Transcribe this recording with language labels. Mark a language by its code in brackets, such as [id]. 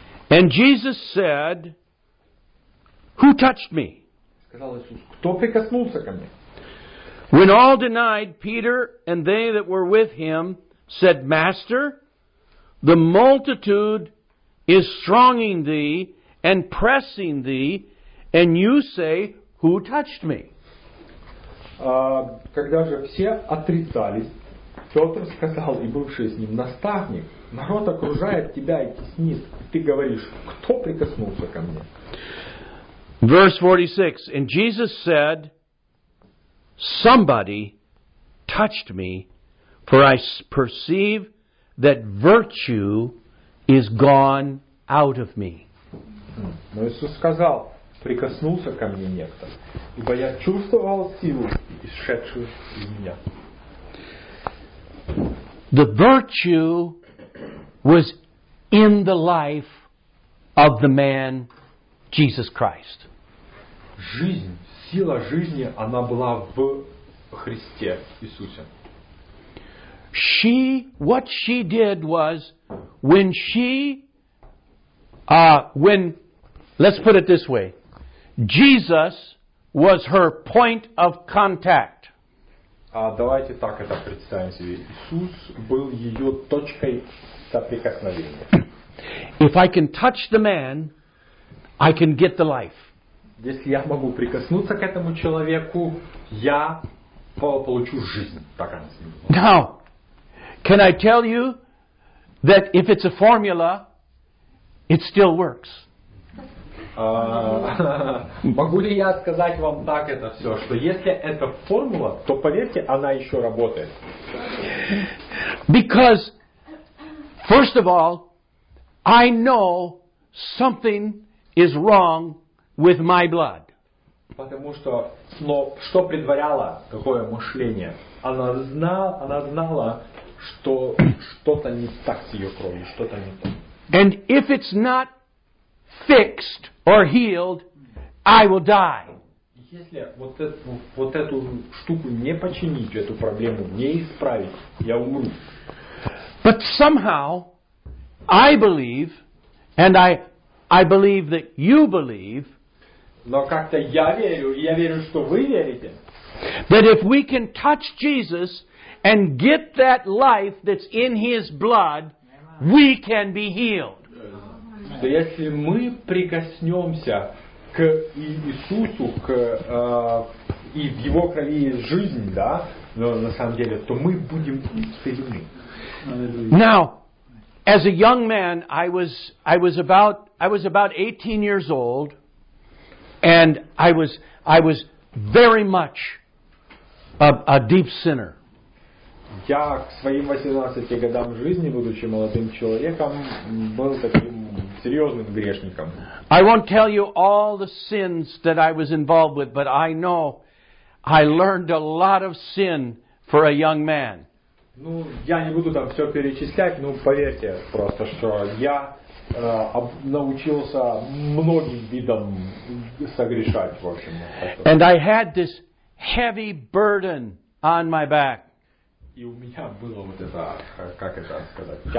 [en] And Jesus said, "Who touched me?" [ru] Сказал Иисус, кто прикоснулся ко мне? [en] When all denied, Peter and they that were with him said, "Master, the multitude is thronging thee and pressing thee, and you say, who touched me?" [ru] Когда же все отрицались, Петр сказал и бывший с ним наставник, народ окружает тебя и теснит, и ты говоришь, кто прикоснулся ко мне? [en] Verse 46, and Jesus said, somebody touched me, for I perceive that virtue is gone out of me. [ru] Но Иисус сказал, прикоснулся ко мне некто, ибо я чувствовал силу, исшедшую из меня. [en] The virtue was in the life of the man Jesus Christ. [ru] Жизнь, сила жизни, она была в Христе Иисусе. [en] She, what she did was, when she, when, let's put it this way, Jesus was her point of contact. [ru] Давайте так это представим себе. Иисус был ее точкой соприкосновения. [en] If I can touch the man, I can get the life. [ru] Если я могу прикоснуться к этому человеку, я получу жизнь. Так она себе. [en] Now, can I tell you that if it's a formula, it still works? [ru] Могу ли я сказать вам так это все, что если это формула, то поверьте, она еще работает. [en] Because, first of all, I know something is wrong with my blood. [ru] Потому что, но что предваряло такое мышление? Она знала, что что-то не так с ее кровью, что-то не так. [en] And if it's not fixed or healed, I will die. [ru] Если вот эту штуку не починить, эту проблему не исправить, я умру. [en] But somehow, I believe, and I believe that you believe, [ru] но как-то я верю, и я верю, что вы верите, [en] that if we can touch Jesus and get that life that's in His blood, we can be healed. [ru] Что если мы прикоснемся к Иисусу, к и в Его крови есть жизнь, да, но на самом деле, то мы будем исцелены. [en] Now, as a young man, I was about 18 years old, and I was very much a deep sinner. [ru] Я к своим 18 годам жизни, будучи молодым человеком, был таким серьезным грешником. [en] I won't tell you all the sins that I was involved with, but I know I learned a lot of sin for a young man. [ru] Ну, я не буду там все перечислять, но поверьте просто, что я научился многим видам согрешать, в общем. [en] And I had this heavy burden on my back. [ru] И у меня было вот это, как это сказать,